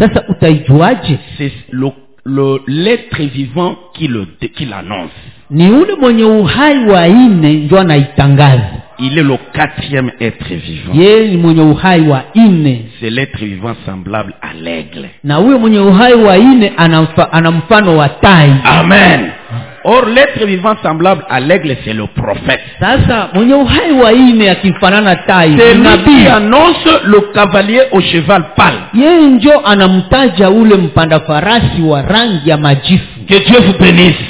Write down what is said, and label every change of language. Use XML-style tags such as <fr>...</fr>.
<sw>Sasa utaijuaje?</sw> <fr>C'est le l'être vivant qui l'annonce.</fr> <sw>Ni ule mwenye uhai wa nne ndio anaitangaza.</sw> <fr>Il est le quatrième être vivant.</fr> <sw>Ye ni mwenye uhai wa nne.</sw> <fr>C'est l'être vivant semblable à l'aigle.</fr> <sw>Na huyo mwenye uhai wa nne ana mfano wa tai. Amen.</sw> <fr>Or l'être vivant semblable à l'aigle, c'est le prophète.</fr> <sw>Sasa, mwenye uhai wa ine akifanana tai.</sw> <fr>C'est lui qui annonce le cavalier au cheval pâle.</fr> <sw>Yeye ndio anamtaja ule mpanda farasi wa rangi ya majifu.</sw> <fr>Que Dieu vous bénisse.</fr>